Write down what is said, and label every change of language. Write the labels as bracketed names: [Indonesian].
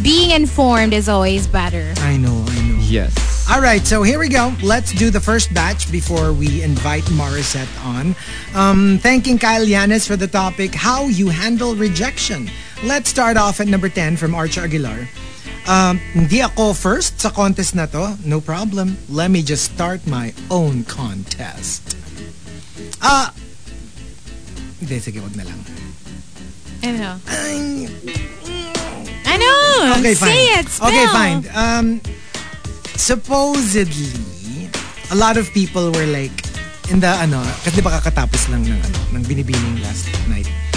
[English] Being informed is always better. I know. Yes. All right, so here we go. Let's do the first batch before we invite Morissette on. Thanking Kyle Yanis for the topic, how you handle rejection. Let's start off at number 10 from Arch Aguilar. [Filipino] Hindi ako first sa contest na to. [English] No problem. Let me just start my own contest. [Filipino] Sige, wag na lang. [English] I know. Okay, fine. Say it, spell. Okay, fine. Supposedly, a lot of people were like, in the, ano, kasi di ba kakatapos lang ng, ano, ng binibining last night.